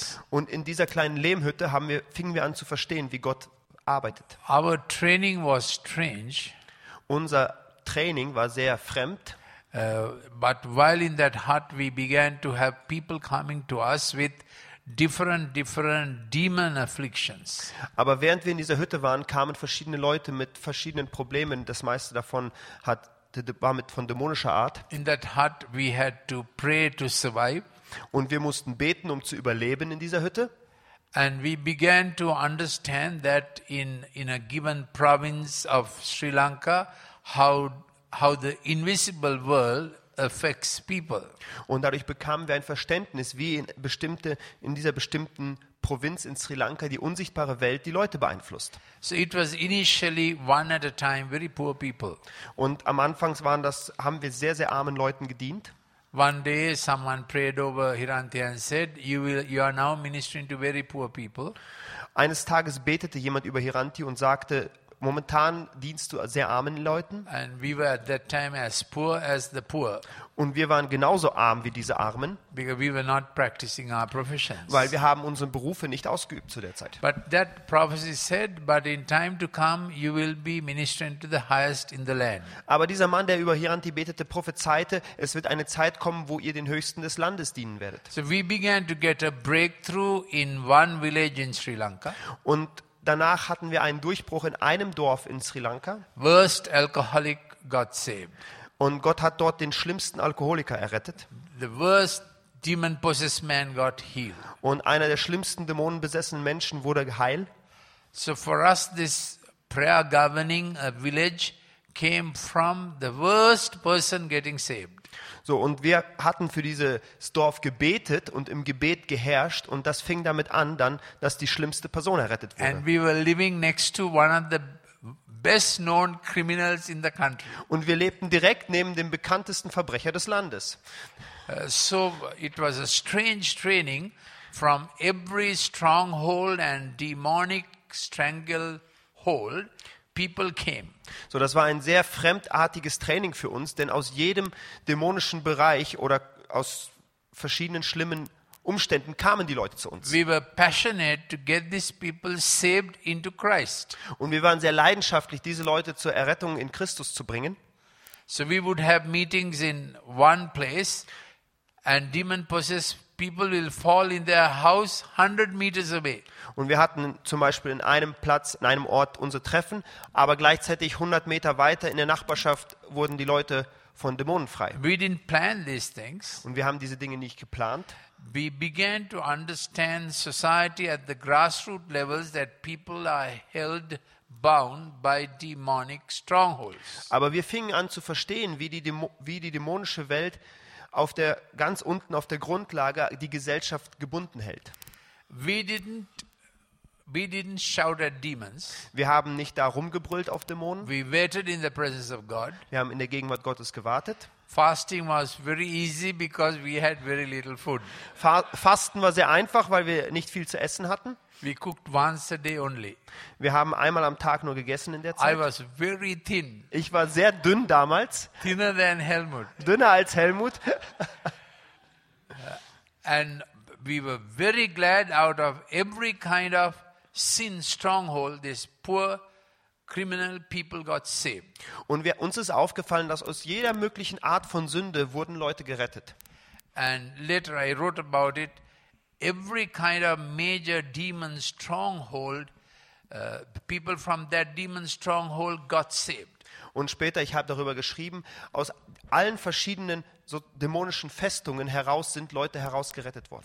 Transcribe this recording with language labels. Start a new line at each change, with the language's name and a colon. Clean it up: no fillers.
German: Und in dieser kleinen Lehmhütte fingen wir an zu verstehen, wie Gott arbeitet.
English: Our training was strange.
German: Unser Training war sehr fremd.
English: But while in that hut we began to have people coming to us with different demon afflictions.
German: Aber während wir in dieser Hütte waren, kamen verschiedene Leute mit verschiedenen Problemen. Das meiste davon war mit von dämonischer Art.
English: In that hut we had to pray to survive.
German: Und wir mussten beten, um zu überleben in dieser Hütte.
English: And we began to understand that in a given province of Sri Lanka, how the invisible world affects people.
German: Und dadurch bekamen wir ein Verständnis, wie in dieser bestimmten Provinz in Sri Lanka die unsichtbare Welt die Leute beeinflusst.
English: So it was initially one at a time very poor people.
German: Und am Anfang haben wir sehr sehr armen Leuten gedient.
English: One day someone prayed over Hiranti and said you are now ministering to very poor people.
German: Eines Tages betete jemand über Hiranti und sagte, momentan dienst du sehr armen Leuten.
English: And we were at that time as poor as the poor.
German: Und wir waren genauso arm wie diese Armen.
English: Because we were not practicing our professions.
German: Weil wir haben unsere Berufe nicht ausgeübt zu der Zeit.
English: But that prophecy said, but in time to come you will be ministering to the highest in the land.
German: Aber dieser Mann, der über Hiranti betete, prophezeite, es wird eine Zeit kommen, wo ihr den Höchsten des Landes dienen werdet.
English: So we began to get a breakthrough in one village in Sri Lanka.
German: Und danach hatten wir einen Durchbruch in einem Dorf in Sri Lanka.
English: Worst alcoholic got saved.
German: Und Gott hat dort den schlimmsten Alkoholiker errettet.
English: The worst demon possessed man got healed.
German: Und einer der schlimmsten dämonenbesessenen Menschen wurde geheilt.
English: So for us this prayer governing a village came from the worst person getting saved.
German: So, und wir hatten für dieses Dorf gebetet und im Gebet geherrscht und das fing damit an, dann, dass die schlimmste Person errettet wurde.
English: And we were living next to one of the best known criminals in the country.
German: Und wir lebten direkt neben dem bekanntesten Verbrecher des Landes.
English: So it was a strange training from every stronghold and demonic stranglehold. People came.
German: So, das war ein sehr fremdartiges Training für uns, denn aus jedem dämonischen Bereich oder aus verschiedenen schlimmen Umständen kamen die Leute zu uns.
English: We were passionate to get these people saved into Christ.
German: Und wir waren sehr leidenschaftlich, diese Leute zur Errettung in Christus zu bringen.
English: So we would have meetings in one place and demon possessed people will fall in their house 100 meters away.
German: Und wir hatten zum Beispiel in einem Platz, in einem Ort unsere Treffen, aber gleichzeitig 100 Meter weiter in der Nachbarschaft wurden die Leute von Dämonen frei.
English: We didn't plan these things.
German: Und wir haben diese Dinge nicht geplant.
English: We began to understand society at the grassroots levels that people are held bound by demonic strongholds.
German: Aber wir fingen an zu verstehen, wie die dämonische Welt auf der ganz unten auf der Grundlage die Gesellschaft gebunden hält.
English: We didn't shout at demons.
German: Wir haben nicht da rumgebrüllt auf Dämonen.
English: We waited in the presence of God.
German: Wir haben in der Gegenwart Gottes gewartet.
English: Fasting was very easy because we had very little food.
German: Fasten war sehr einfach, weil wir nicht viel zu essen hatten.
English: We cooked once a day only.
German: Wir haben einmal am Tag nur gegessen in der Zeit.
English: I was very thin.
German: Ich war sehr dünn damals.
English: Thinner than Helmut.
German: Dünner als Helmut.
English: And we were very glad out of every kind of sin stronghold this poor criminal people got saved.
German: Und uns ist aufgefallen, dass aus jeder möglichen Art von Sünde wurden Leute gerettet.
English: And later I wrote about it. Every kind of major demon stronghold people from that demon stronghold got saved.
German: Und später, ich habe darüber geschrieben, aus allen verschiedenen so dämonischen Festungen heraus sind Leute herausgerettet worden.